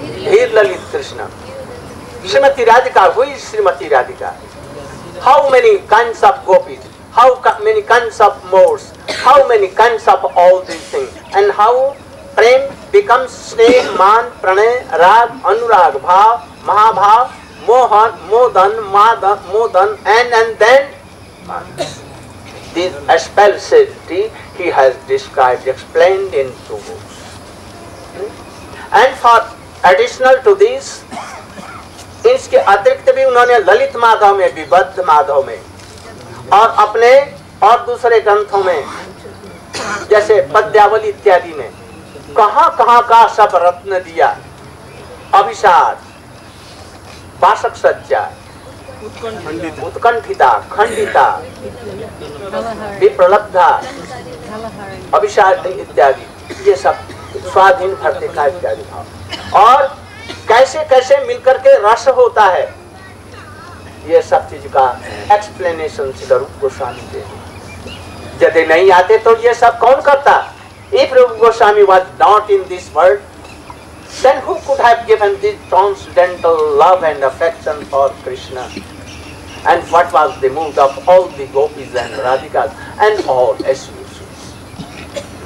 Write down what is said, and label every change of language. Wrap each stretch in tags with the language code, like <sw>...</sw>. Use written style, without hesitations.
<en>Dhir Lalit Krishna, Srimati Radhika, who is Srimati Radhika, how many kinds of gopis, how many kinds of moors, how many kinds of all these things, and how prem becomes snake, man, pranay, rag, anurag, bhav, mahabhav, mohan, modan, madan, modan, and then man. This especiality he has described, explained in two books. And for additional to this,</en> <hi>इसके अतिरिक्त भी उन्होंने ललित माधव में, विबद्ध माधव में और अपने और दूसरे ग्रंथों में जैसे पद्यावली इत्यादि में कहां कहां का सब रत्न दिया. अभिशाद, पाशक सज्जा, उत्कंठिता, खंडिता, विप्रलब्धा, अभिशाद इत्यादि, ये सब स्वाधीन भर्तिका इत्यादि भाव और कैसे कैसे मिलकर के रस होता है, ये सब चीज का एक्सप्लेनेशन श्री रूप गोस्वामी दे. यदि नहीं आते तो ये सब कौन करता.</hi> <en>If Rup Goswami was not in this world, then who could have given this transcendental love and affection for Krishna? And what was the mood of all the gopis and radhikas and all associates?</en>